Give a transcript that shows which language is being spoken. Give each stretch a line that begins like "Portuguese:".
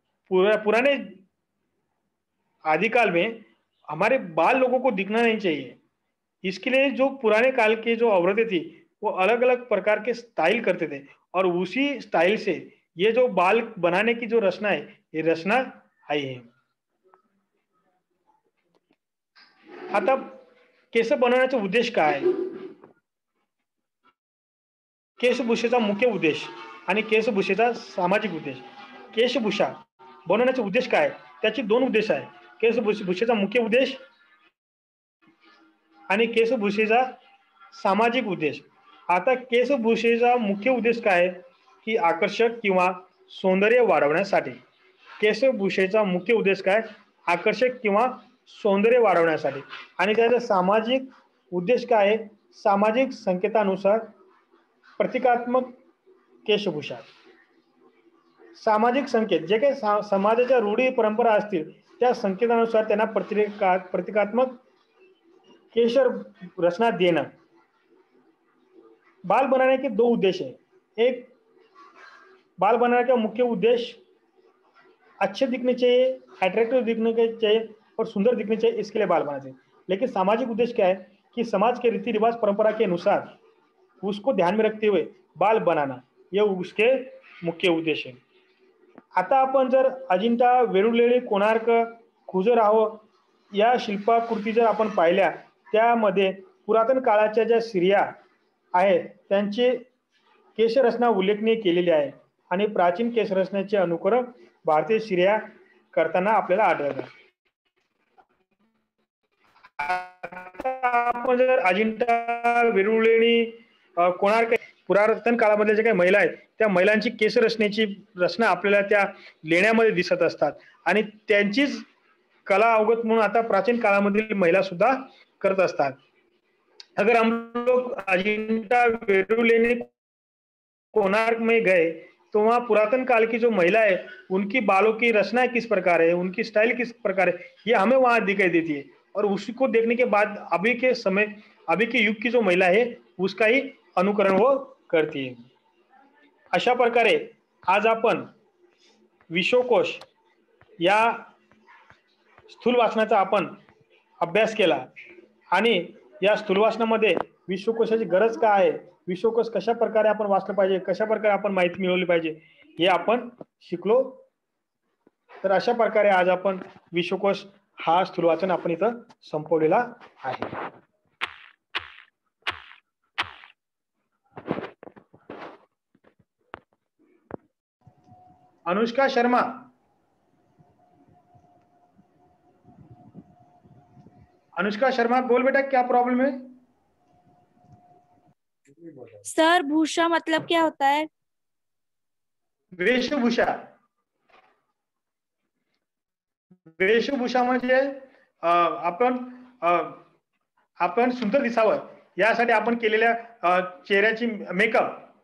Hindi: पुराने आदिकाल में हमारे बाल लोगों को दिखना नहीं चाहिए, इसके लिए जो पुराने काल के जो औरतें थी वो अलग अलग प्रकार के स्टाइल करते थे और उसी स्टाइल से ये जो बाल बनाने की जो रचना है ये रचना आई है.
Marathi: आता केस बनवण्याचा उद्देश काय, केशभूषेचा मुख्य उद्देश आणि केशभूषेचा सामाजिक उद्देश. केशभूषा बनवण्याचा उद्देश काय, त्याचे दोन उद्देश आहे, केशभूषेचा मुख्य उद्देश आणि केशभूषेचा सामाजिक उद्देश. आता केशभूषेचा मुख्य उद्देश काय की आकर्षक किंवा सौंदर्य वाढवण्यासाठी, केशभूषेचा मुख्य उद्देश काय आकर्षक किंवा सौंदर्य वाढवण्यासाठी, आणि त्याचा सामाजिक उद्देश काय सामाजिक संकेतानुसार प्रतिकात्मक केशभूषा. सामाजिक संकेत जे काही समाजाच्या रूढी परंपरा असतील त्या संकेतानुसार त्यांना प्रतिकात्मक केश रचना देणं.
Hindi: बाल बनवणे के दो उद्देश
Marathi: आहे, एक बाल बनवण्याचा मुख्य उद्देश
Hindi: अच्छे दिखने चाहिए, अट्रैक्टिव दिखने चाहिए और सुंदर दिखने चाहिए, इसके लिए बाल बनाते हैं. लेकिन सामाजिक उद्देश्य क्या है कि समाज के रीति रिवाज परंपरा के अनुसार उसको ध्यान में रखते हुए बाल बनाना, यह उसके मुख्य उद्देश्य है.
Marathi: आता अपन जर अजिंठा वेरूळ लेणी कोणार्क खुजराहो या शिल्पाकृती जर आपण पाहिल्या त्यामध्ये पुरातन काळाच्या ज्या स्त्रिया आहेत त्यांची केशरचना उल्लेखनीय केलेली आहे आणि प्राचीन केशरचनेचे अनुकरण भारतीय स्त्रिया करताना आपल्याला आढळतात. आपण जर अजिंठा वेरूळ लेणी कोणार्क पुरातन काळामधल्या ज्या काही महिला आहेत त्या महिलांची केशरचनेची रचना आपल्याला त्या लेण्यामध्ये दिसत असतात आणि त्यांचीच कला अवगत म्हणून आता प्राचीन काळामधील महिला सुद्धा करत असतात.
Hindi: अगर हम लोग अजिंठा वेरूळ लेणी कोणार्क में गए तो वहां पुरातन काल की जो महिला है उनकी बालों की रचना किस प्रकार है, उनकी स्टाइल किस प्रकार है, ये हमें वहां दिखाई देती है और उसको देखने के बाद अभी के समय अभी के युग की जो महिला है उसका ही अनुकरण वो करती है.
Marathi: अशा प्रकारे आज आपण विश्वकोश या स्थूलवाचनाचा आपण अभ्यास केला आणि या स्थूलवाचनामध्ये विश्वकोशाची गरज काय आहे, विश्वकोश कशा प्रकारे आपण वाचलं पाहिजे, कशा प्रकारे आपण माहिती मिळवली पाहिजे हे आपण शिकलो. तर अशा प्रकारे आज आपण विश्वकोश हा स्थूलवाचन आपण इथं संपवलेला आहे.
Hindi: अनुष्का शर्मा अनुष्का शर्मा बोल बेटा क्या प्रॉब्लम है. सर भूषा मतलब क्या होता है.
Marathi: वेशभूषा वेशभूषा म्हणजे आपण आपण सुंदर दिसावं यासाठी आपण केलेल्या चेहऱ्याची मेकअप.